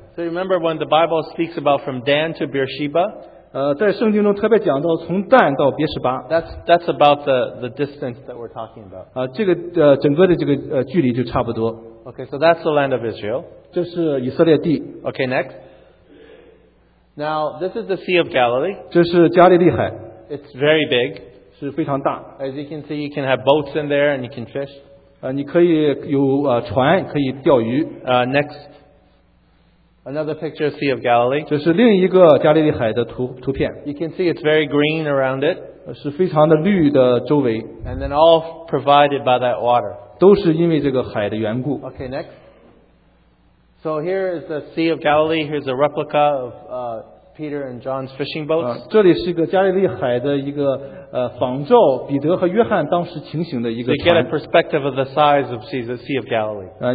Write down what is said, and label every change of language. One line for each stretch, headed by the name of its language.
English: So remember when the Bible speaks about from Dan to Beersheba?
Chinese: 在圣经中特别讲到从但到别十八。
English: That's about the distance that we're talking about.
Chinese: 这个整个的这个距离就差不多。
English: Okay, so that's the land of Israel.
Chinese: 这是以色列地。
English: Okay, next. Now, this is the Sea of Galilee.
Chinese: 这是加利利海。
English: It's very big.
Chinese: 是非常大。
English: As you can see, you can have boats in there and you can fish.
Chinese: 你可以有船可以钓鱼。
English: Next, another picture, Sea of Galilee.
Chinese: 这是另一个加利利海的图片。
English: You can see it's very green around it.
Chinese: 是非常的绿的周围。
English: And then all provided by that water.
Chinese: 都是因为这个海的缘故。
English: Okay, next. So here is the Sea of Galilee. Here's a replica of Peter and John's fishing boats.
Chinese: 这里是一个加利利海的一个仿照彼得和约翰当时情形的一个。
English: So you get a perspective of the size of the Sea of Galilee.